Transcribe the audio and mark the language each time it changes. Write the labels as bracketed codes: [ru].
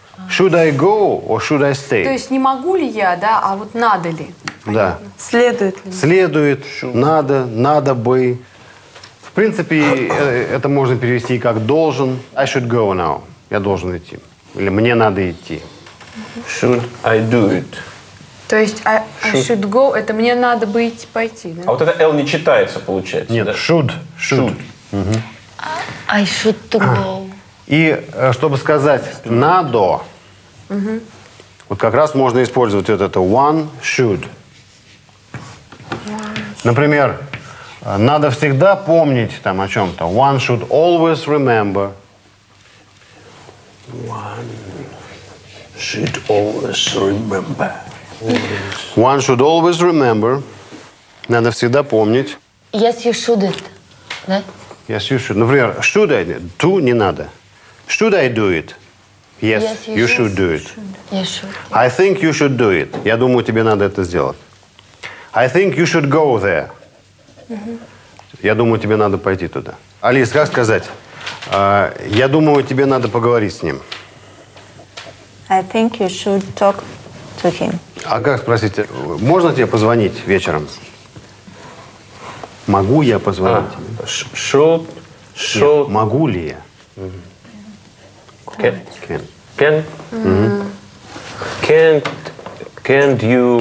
[en] Should I go or should I stay? [ru] То есть не могу ли я, да, а вот надо ли? Да. Следует ли? Следует, [en] should. [ru] Надо бы. В принципе, это можно перевести как должен. [en] I should go now. [ru] Я должен идти. Или мне надо идти. [en] Should I do it? [ru] То есть [en] I should go, [ru] это мне надо бы идти пойти, да? А вот это L не читается, получается. Нет, да? [en] should. Угу. I should to go. [ru] И чтобы сказать надо, вот как раз можно использовать вот это [en] one should. [ru] Например, надо всегда помнить там о чем-то. [en] One should always remember. One should always remember. One should always remember. [ru] Надо всегда помнить. [en] Yes, you shouldn't. [ru] Да? [en] Yes, you should. Например, should I do? [ru] Не надо. [en] Should I do it? Yes, you should do it. Yes, should. I think you should do it. [ru] Я думаю, тебе надо это сделать. [en] I think you should go there. [ru] Я думаю, тебе надо пойти туда. Алис, как сказать? Я думаю, тебе надо поговорить с ним. [en] I think you should talk to him. [ru] А как спросить? Можно тебе позвонить вечером? Могу я позвонить? [en] Should. [ru] Могу ли я? [en] Can. Can't you?